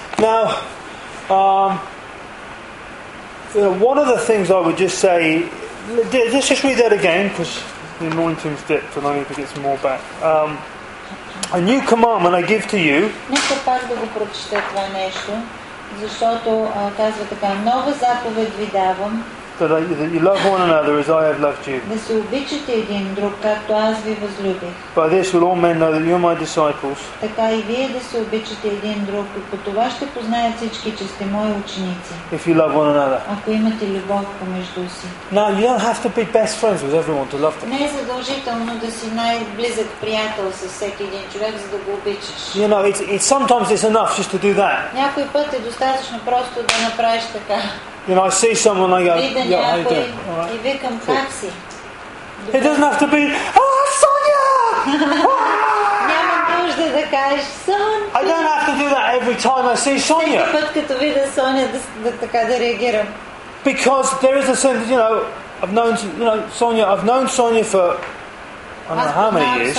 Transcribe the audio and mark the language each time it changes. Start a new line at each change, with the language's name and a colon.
English: Now, one of the things I would just say, let's just read that again, because the anointing's dipped and I need to get some more back. A new commandment I give to you.
Bulgarian: Нека пак да го прочета това нещо. Защото казва така, нова заповед ви давам.
English: That you love one another as I have loved you.
Bulgarian: Да се обичате един друг, както аз ви възлюбих.
English: By this will all men know that you are my disciples.
Bulgarian: Така и вие да се обичате един друг, и по това ще познаят всички, че сте мои ученици.
English: If you love one another.
Bulgarian: Ако имате любов помежду си.
English: Now you don't have to be best friends with everyone to love them.
Bulgarian: Не е задължително да си най-близък приятел с всеки един човек, за да го обичаш.
English: You know, it's sometimes it's enough just to do that.
Bulgarian: Някой път е достатъчно просто да направиш така.
English: You know, I see someone, I go, yeah, how you doing? Right. It doesn't have to be, ah, Sonia! I don't have to do that every time I see Sonia. Because there is a sense, you know, I've known Sonia for, I don't know how many years.